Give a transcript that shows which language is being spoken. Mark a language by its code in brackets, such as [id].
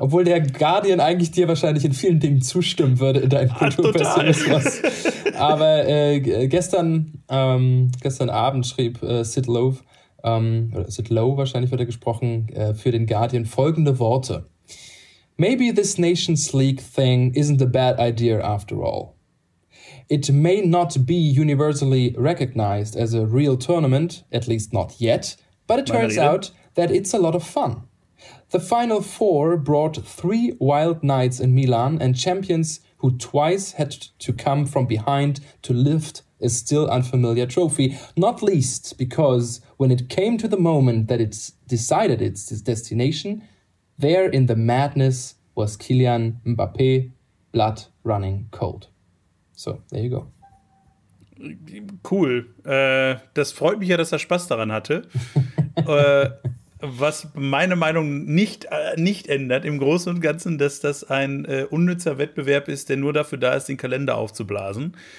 [de] Obwohl der Guardian eigentlich dir wahrscheinlich in vielen Dingen zustimmen würde in deinem Kulturpessimismus. Aber gestern Abend schrieb Sid Lowe wahrscheinlich wird er gesprochen, für den Guardian folgende Worte. [en] Maybe this Nations League thing isn't a bad idea after all. It may not be universally recognized as a real tournament, at least not yet, But it turns out that it's a lot of fun. The final four brought three wild nights in Milan, and champions who twice had to come from behind to lift a still unfamiliar trophy. Not least because when it came to the moment that it decided its destination, there in the madness was Kylian Mbappé, blood running cold. So, there you go. Cool. [de] Das freut mich ja, dass er Spaß daran hatte. Was meine Meinung nicht ändert im Großen und Ganzen, dass das ein unnützer Wettbewerb ist, der nur dafür da ist, den Kalender aufzublasen.